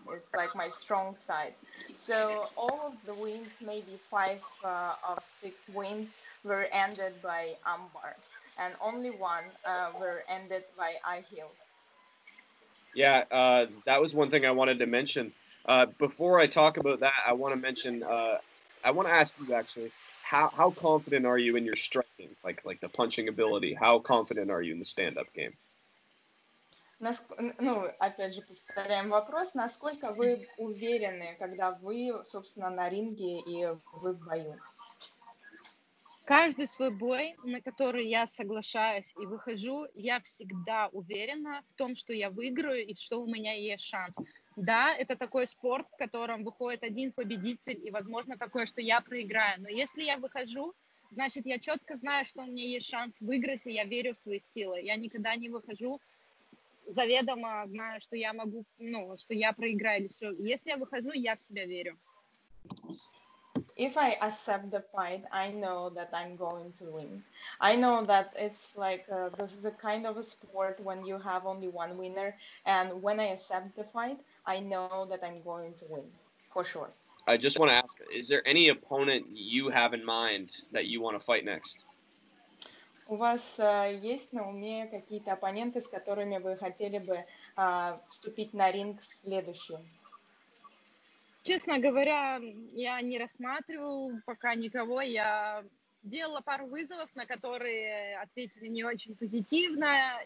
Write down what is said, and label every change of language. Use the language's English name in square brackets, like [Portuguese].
[English] It's like my strong side. So all of the wins, maybe 5 of 6 wins, were ended by armbar, and only one were ended by high heel. Yeah, that was one thing I wanted to mention. Before I talk about that, I want to mention. I want to ask you actually, how confident are you in your striking, like the punching ability? How confident are you in the stand up game? [Russian] Ну, опять же, повторяем вопрос. Насколько вы уверены, когда вы, собственно, на ринге и вы в бою? Каждый свой бой, на который я соглашаюсь и выхожу, я всегда уверена в том, что я выиграю и что у меня есть шанс. Да, это такой спорт, в котором выходит один победитель, и возможно такое, что я проиграю. Но если я выхожу, значит, я четко знаю, что у меня есть шанс выиграть, и я верю в свои силы. Я никогда не выхожу, заведомо знаю, что я могу, ну, что я проиграю или все. Если я выхожу, я в себя верю. [English] If I accept the fight, I know that I'm going to win. I know that it's like this is a kind of a sport when you have only one winner, and when I accept the fight, I know that I'm going to win for sure. I just want to ask, is there any opponent you have in mind that you want to fight next? [Russian] У вас есть на уме какие-то оппоненты, с которыми вы хотели бы вступить на ринг следующим? Честно говоря, я не рассматривал пока никого. Я делала пару вызовов, на которые ответили не очень позитивно.